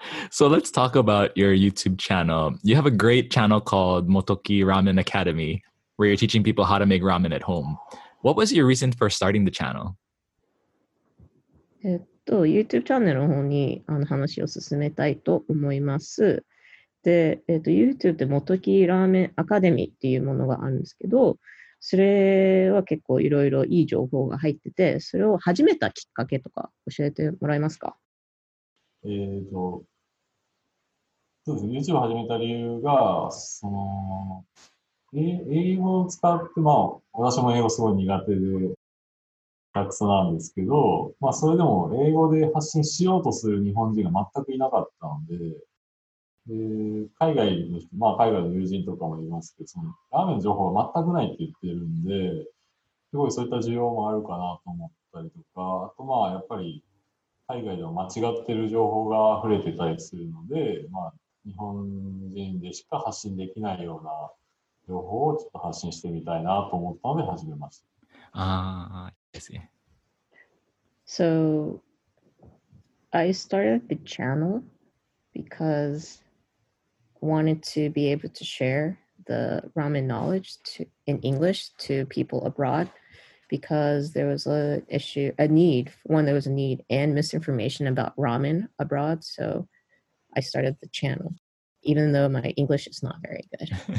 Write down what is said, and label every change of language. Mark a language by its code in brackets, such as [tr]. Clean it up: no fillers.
[en] So let's talk about your YouTube channel. You have a great channel called Motoki Ramen Academy, where you're teaching people how to make ramen at home. What was your reason for starting the channel? [ja] YouTube チャンネルの方に話を進めたいと思います。で、YouTube で Motoki Ramen Academy っていうものがあるんですけど、それは結構いろいろいい情報が入ってて、それを始めたきっかけとか教えてもらえますか？そうですね、YouTube を始めた理由が、その、英語を使って、まあ、私も英語すごい苦手で、たくさんなんですけど、まあ、それでも英語で発信しようとする日本人が全くいなかったので、海外の人、まあ、海外の友人とかもいますけど、その、ラーメン情報が全くないって言ってるんで、すごいそういった需要もあるかなと思ったりとか、あとまあ、やっぱり、海外では間違ってる情報が溢れてたりするので、まあ、日本人でしか発信できないような情報をちょっと発信してみたいなと思ったので始めました。 [en] I see. So, I started the channel because I wanted to be able to share the ramen knowledge in English to people abroad. Because there was a need and misinformation about ramen abroad, so I started the channel, even though my English is not very good.